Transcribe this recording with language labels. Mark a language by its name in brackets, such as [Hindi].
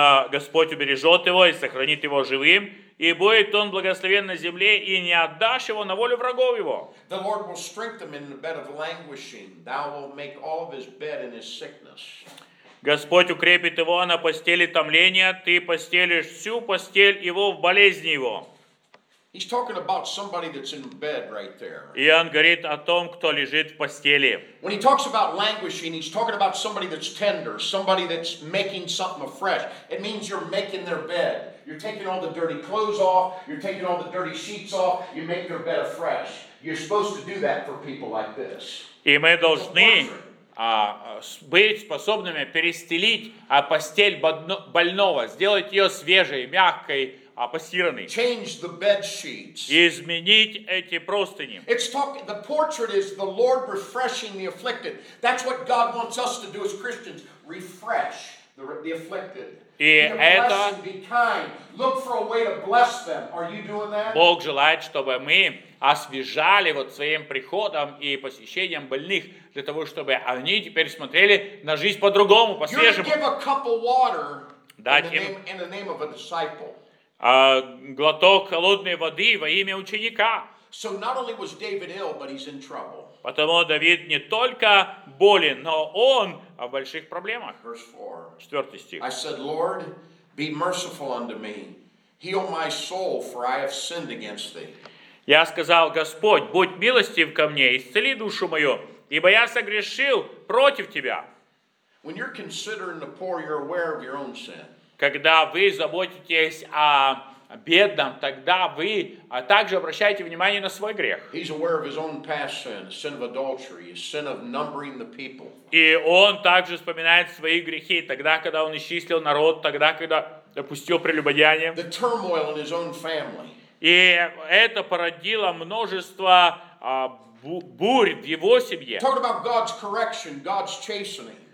[Russian] Господь убережет его и сохранит его живым. И будет он благословен на земле, и не отдашь его на волю врагов его. [English] The Lord will strengthen him in the bed of languishing. Thou wilt make all of his bed in his sickness. [Russian] Господь укрепит его на постели томления. Ты постелишь всю постель его в болезни его. [English] He's talking about somebody that's in bed right there. [Russian] И он говорит о том, кто лежит в постели. [English] When he talks about languishing, he's talking about somebody that's tender, somebody that's making something afresh. It means you're making their bed. You're taking all the dirty clothes off, you're taking all the dirty sheets off, you make their bed afresh. You're supposed to do that for people like this. [Russian] И мы должны быть способными перестелить постель больного, сделать ее свежей, мягкой. [English] Change the bed sheets. [Russian] Изменить эти простыни. [English] The portrait is the Lord refreshing the afflicted. That's what God wants us to do as Christians. Refresh the afflicted. [Russian] И это. [English] Be kind. Look for a way to bless them. Are you doing that? [Russian] Бог желает, чтобы мы освежали вот своим приходом и посещением больных для того, чтобы они теперь смотрели на жизнь по-другому, по-свежему. [English] You're gonna give a cup of water in the name of a disciple. [Russian] Глоток холодной воды во имя ученика. [English] So not only was David ill, but he's in trouble. [Russian] Потому Давид не только болен, но он в больших проблемах. [English] Verse 4. [Russian] 4 стих. [English] I said, Lord, be merciful unto me. Heal my soul, for I have sinned against thee. [Russian] Я сказал, Господь, будь милостив ко мне, исцели душу мою, ибо я согрешил против тебя. [English] When you're considering the poor, you're aware of your own sin. [Russian] Когда вы заботитесь о бедном, тогда вы также обращаете внимание на свой грех. [English] He's aware of his own past sin, sin of adultery, sin of numbering the people. [Russian] И он также вспоминает свои грехи, тогда, когда он исчислил народ, тогда, когда допустил прелюбодеяние. [English] The turmoil in his own family. [Russian] И это породило множество бурь в его семье. [English] Talk about God's correction, God's chastening.